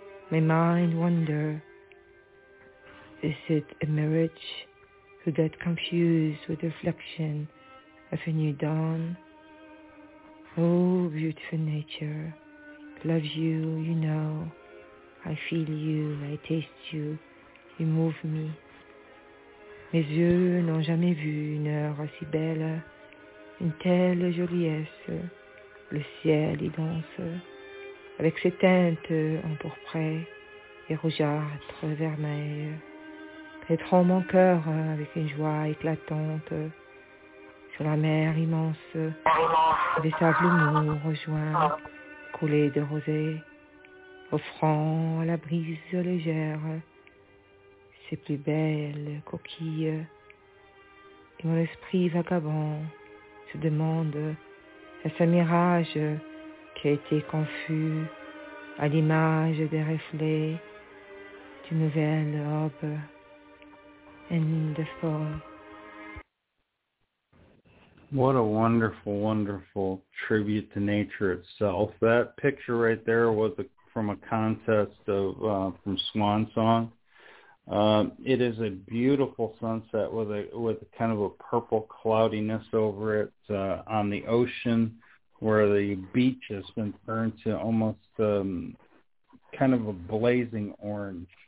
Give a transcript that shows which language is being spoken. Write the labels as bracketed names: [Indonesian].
[English] My mind wonder, is it a mirage who get confused with the reflection of a new dawn? Oh, beautiful nature, love you, you know. I feel you, I taste you, you move me. [French] Mes yeux n'ont jamais vu une heure aussi belle, une telle joliesse. Le ciel y danse, avec ses teintes empourprées et rougeâtres vermeilles, pénétrant mon cœur avec une joie éclatante. Sur la mer immense, des sables mous rejoints, coulés de rosée, offrant à la brise légère ses plus belles coquilles. Et mon esprit vagabond se demande, est-ce un mirage qui a été confus à l'image des reflets d'une nouvelle aube en ligne de fond? [English] What a wonderful, wonderful tribute to nature itself. That picture right there was from a contest of from Swan Song. It is a beautiful sunset with a kind of a purple cloudiness over it on the ocean, where the beach has been turned to almost kind of a blazing orange.